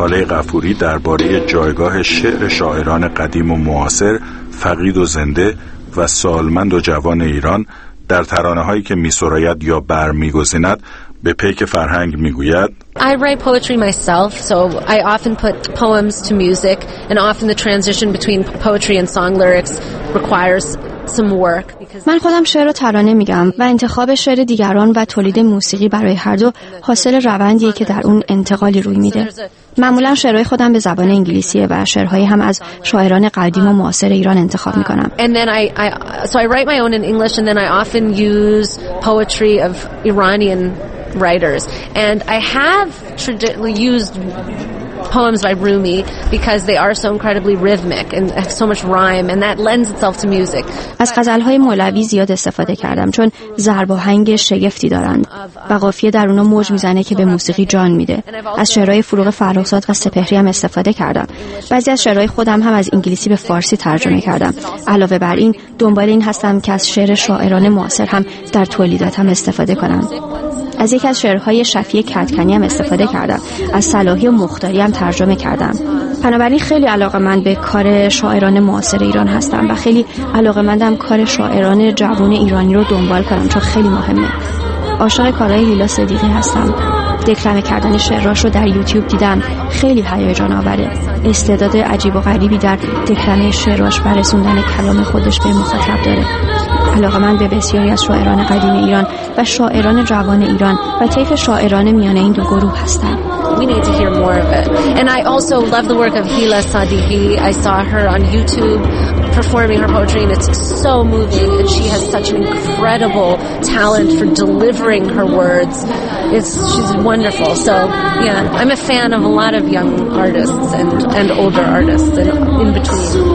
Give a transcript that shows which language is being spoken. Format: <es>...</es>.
<fa>غفوری درباره جایگاه شعر شاعران قدیم و معاصر، فقید و زنده و سالمند و جوان ایران در ترانه‌هایی که می‌سراید یا برمی‌گزیند به پیک فرهنگ می‌گوید:</fa> <en>I write poetry myself, so I often put poems to music, and often the transition between poetry and song lyrics requires some work.</en> <fa>من خودم شعر و ترانه میگم و انتخاب شعر دیگران و تولید موسیقی برای هر دو حاصل روندیه که در اون انتقالی روی میده. معمولا شعرهای خودم به زبان انگلیسیه و شعرهایی هم از شاعران قدیم و معاصر ایران انتخاب میکنم.</fa> <en>So I write my own in English and then I often use poetry of Iranian writers. And I have traditionally used poems by Rumi because they are so incredibly rhythmic and have so much rhyme and that lends itself to music.</en> <fa>از غزل‌های مولوی زیاد استفاده کردم چون ضرب و هنگ شگفتی دارند و قافیه در اونها موج میزنه که به موسیقی جان میده. از شعرهای فروغ فرخزاد و سپهری هم استفاده کردم. بعضی از شعرهای خودم هم از انگلیسی به فارسی ترجمه کردم. علاوه بر این دنبال این هستم که از شعر شاعران معاصر هم در تولیداتم استفاده کنم. از یک از شعرهای شفیع کدکنی هم استفاده کردم. از صلاحی و مختاری هم ترجمه کردم. بنابراین خیلی علاقمند به کار شاعران معاصر ایران هستم و خیلی علاقمندم کار شاعران جوان ایرانی رو دنبال کنم، چون خیلی مهمه. عاشق کارهای لیلا صدیقی هستم. دکلمه کردن شعراش رو در یوتیوب دیدم، خیلی هیجان آوره. استعداد عجیب و غریبی در دکلمه شعراش برسوندن کلام خودش به مخاطب داره. علاقمند به بسیاری از شاعران قدیم ایران و شاعران جوان ایران و طیف شاعران میان این دو گروه هستم.</fa> <en>We need to hear more of it. And I also love the work of Hila Sadiqi. I saw her on YouTube performing her poetry and it's so moving and she has such an incredible talent for delivering her words. She's wonderful. So, yeah, I'm a fan of a lot of young artists and older artists and in between.</en>